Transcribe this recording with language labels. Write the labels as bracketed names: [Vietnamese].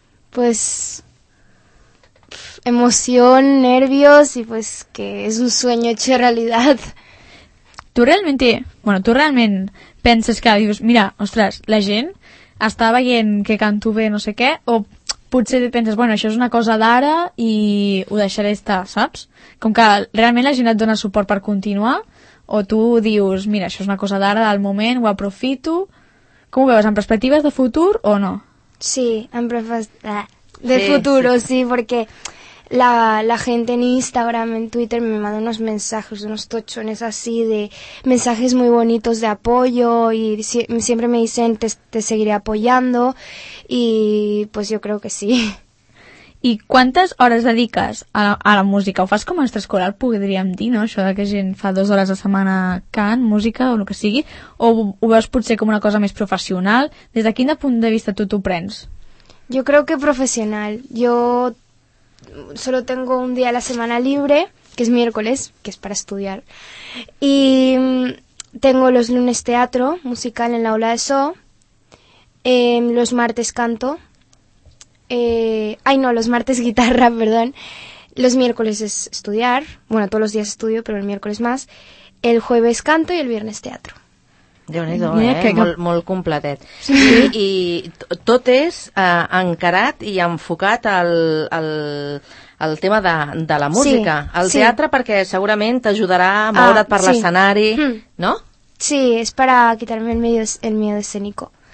[Spanish] Pues emoción, nervios y pues que es un sueño hecho realidad. [Catalan] Tu realment penses que dius, mira, ostres, la gent està veient que canto bé no sé què, o potser penses, bueno, això és una cosa d'ara i ho deixaré estar, saps? Com que realment la gent et dona suport per continuar, o tu dius, mira, això és una cosa d'ara, del moment, ho aprofito. Com ho veus, amb perspectives de futur o no? [Spanish] Sí, amb perspectives de futur, sí, perquè la gente en Instagram, en Twitter, me manda unos mensajes, unos tochones así, de mensajes muy bonitos de apoyo, y siempre me dicen, te seguiré apoyando, y pues yo creo que sí. [Catalan] ¿Y cuántas horas dediques a la música? ¿Ho fas com a extraescolar, podríem dir, no? Això de que gent fa 2 hores a setmana cant, música, o el que sigui, o ho veus potser com una cosa més professional? Des de quin punt de vista tu t'ho prens? [Spanish] Yo creo que profesional. Yo solo tengo un día a la semana libre, que es miércoles, que es para estudiar. Y tengo los lunes teatro musical en la aula de zoo. Los martes canto. Los martes guitarra, perdón. Los miércoles es estudiar. Bueno, todos los días estudio, pero el miércoles más. El jueves canto y el viernes teatro. [Catalan] Déu-n'hi-do, molt completet. Sí. I tot és encarat i enfocat al tema de la música. Sí. El teatre, perquè segurament t'ajudarà a moure't per l'escenari, no? Sí, és per a quitar-me el miedo escénico.